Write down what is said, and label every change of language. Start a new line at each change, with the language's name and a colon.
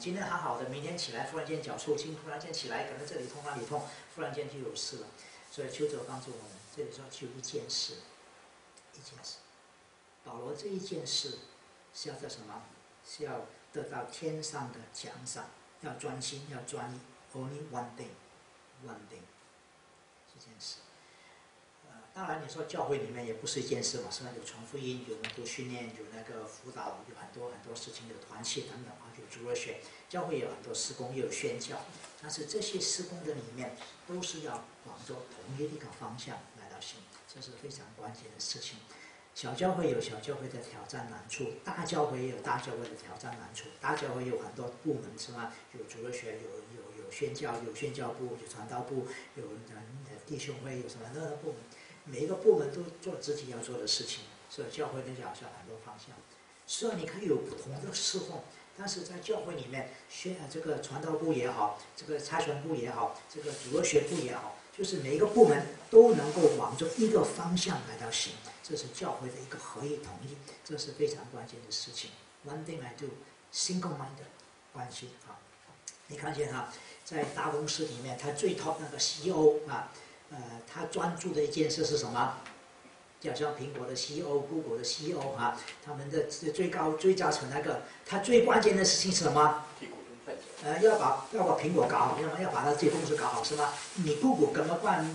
Chinese: 今天好好的，明天起来，忽然间脚抽筋，忽然间起来，可能这里痛那里痛，忽然间就有事了，所以求主帮助我们。这里说就一件事，一件事。保罗这一件事是要做什么？是要得到天上的奖赏，要专心，要专一。
English: Only one thing, one thing，
Chinese: 这件事。当然你说教会里面也不是一件事嘛，是吧？有传福音，有门徒训练，有那个辅导，有很多很多事情，有团契等等啊，有主日学，教会有很多事工，也有宣教。但是这些事工的里面，都是要往着同一个方向来到行，这是非常关键的事情。小教会有小教会的挑战难处，大教会也有大教会的挑战难处。大教会有很多部门，是吧？有主日学，有宣教，有宣教部，有传道部，有弟兄会，有什么各个部门。每一个部门都做自己要做的事情，所以教会的角色很多方向。虽然你可以有不同的侍奉，但是在教会里面，这个传道部也好，这个差传部也好，这个主日学部也好，就是每一个部门都能够往着一个方向来到行，这是教会的一个合一统一，这是非常关键的事情。
English: One thing I do, single minded
Chinese: 关心啊。你看见哈，在大公司里面，他最 top 那个 CEO 啊。他专注的一件事是什么？就像苹果的 CEO、Google 的 CEO 啊，他们的最高最高层那个，他最关键的事情是什么？要把苹果搞好，要把他这公司搞好，是吧？你 Google 怎么办？